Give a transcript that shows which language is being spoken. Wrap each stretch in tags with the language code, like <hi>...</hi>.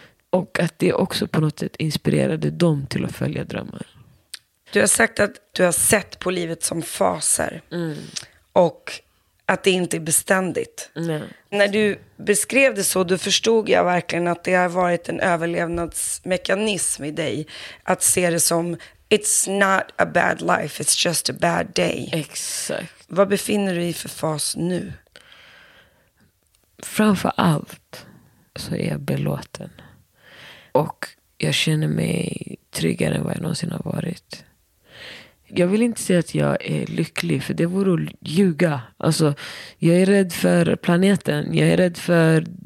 <sv>Och att det också på något sätt inspirerade dem till att följa drömmar. Du har sagt att du har sett på livet som faser. Mm. Och att det inte är beständigt. Nej. När du beskrev det så, då förstod jag verkligen att det har varit en överlevnadsmekanism i dig. Att se det som,</sv> <en>it's not a bad life, it's just a bad day.</en> <sv>Exakt. Vad befinner du dig i för fas nu? Framför allt så är jag belåten. Och jag känner mig tryggare än vad jag någonsin har varit. Jag vill inte säga att jag är lycklig, för det vore att ljuga. Alltså, jag är rädd för planeten. Jag är rädd för</sv>